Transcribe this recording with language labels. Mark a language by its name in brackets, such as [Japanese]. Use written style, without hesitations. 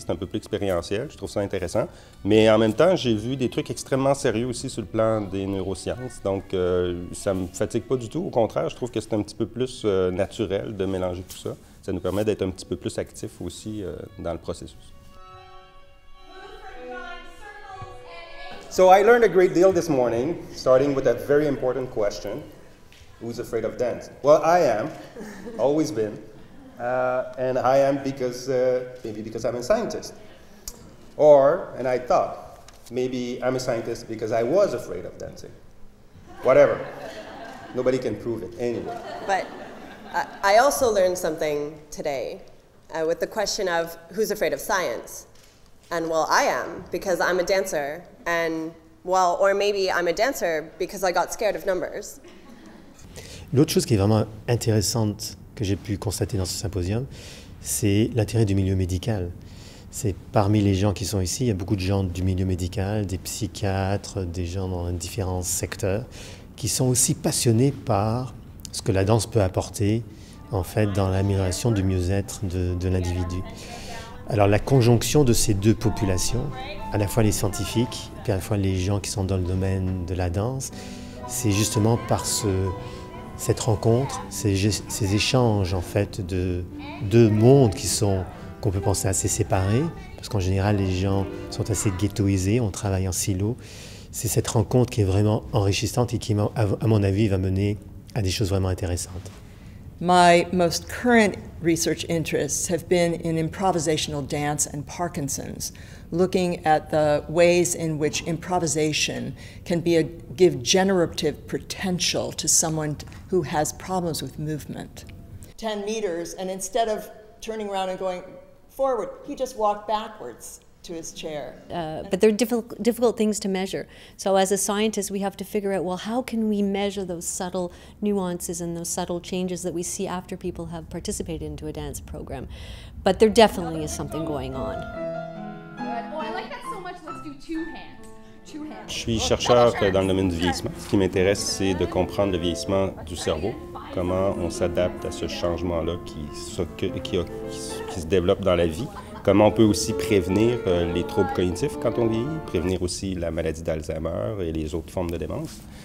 [French] C'est un peu plus expérientiel, je trouve ça intéressant. Mais en même temps, j'ai vu des trucs extrêmement sérieux aussi sur le plan des neurosciences. Donc, ça ne me fatigue pas du tout. Au contraire, je trouve que c'est un petit peu plus naturel de mélanger tout ça. Ça nous permet d'être un petit peu plus actifs aussi dans le processus. [English] So I learned a great deal this morning, starting with a very important question. Who's afraid of dance? Well, I am, always been. And I am because, maybe because I'm a scientist. Or, and I thought, maybe I'm a scientist because I was afraid of dancing. Whatever. Nobody can prove it anyway. But I also learned something today with the question of who's afraid of science. And well, I am, because I'm a dancer. And well, or maybe I'm a dancer because I got scared of numbers. [French] L'autre chose qui est vraiment intéressante que j'ai pu constater dans ce symposium, c'est l'intérêt du milieu médical. C'est parmi les gens qui sont ici, il y a beaucoup de gens du milieu médical, des psychiatres, des gens dans différents secteurs, qui sont aussi passionnés par ce que la danse peut apporter, en fait, dans l'amélioration du mieux-être de l'individu. Alors la conjonction de ces deux populations, à la fois les scientifiques, puis à la fois les gens qui sont dans le domaine de la danse, c'est justement par cette rencontre, ces échanges en fait de deux mondes qui sont, qu'on peut penser assez séparés, parce qu'en général les gens sont assez ghettoisés, on travaille en silo, c'est cette rencontre qui est vraiment enrichissante et qui, à mon avis, va mener à des choses vraiment intéressantes. [English] My most current research interests have been in improvisational dance and Parkinson's, looking at the ways in which improvisation can give generative potential to someone who has problems with movement. 10 meters, and instead of turning around and going forward, he just walked backwards to his chair. But they're difficult things to measure. So as a scientist, we have to figure out, well, how can we measure those subtle nuances and those subtle changes that we see after people have participated into a dance program? But there definitely is something going on. Oh, I like that so much. Let's do two hands. [French] Je suis chercheur dans le domaine du vieillissement. Ce qui m'intéresse, c'est de comprendre le vieillissement du cerveau, comment on s'adapte à ce changement-là qui se développe dans la vie, comment on peut aussi prévenir les troubles cognitifs quand on vieillit, prévenir aussi la maladie d'Alzheimer et les autres formes de démence.